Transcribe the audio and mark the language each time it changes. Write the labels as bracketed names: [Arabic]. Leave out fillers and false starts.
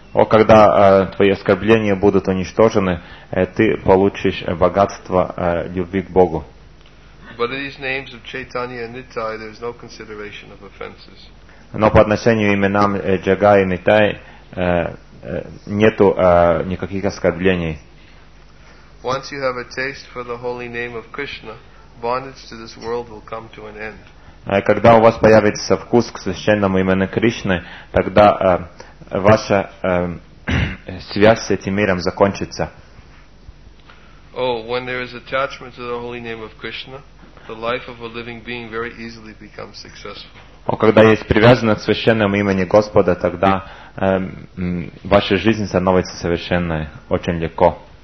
[Russian] Когда твои оскорбления будут уничтожены, ты получишь богатство любви к Богу. Но по отношению к именам Джагая и Нитай нету никаких оскорблений. [English] Once you have a taste for the holy name of Krishna, bondage to this world will come to an end. [Russian] Когда у вас появится вкус к священному имени Кришны, тогда ваша связь с этим миром закончится. [English] Oh, when there is attachment to the holy name of Krishna, the life of a living being very easily becomes successful. [Russian] О, когда есть привязанность к священному имени Господа, тогда ваша жизнь становится совершенной очень легко.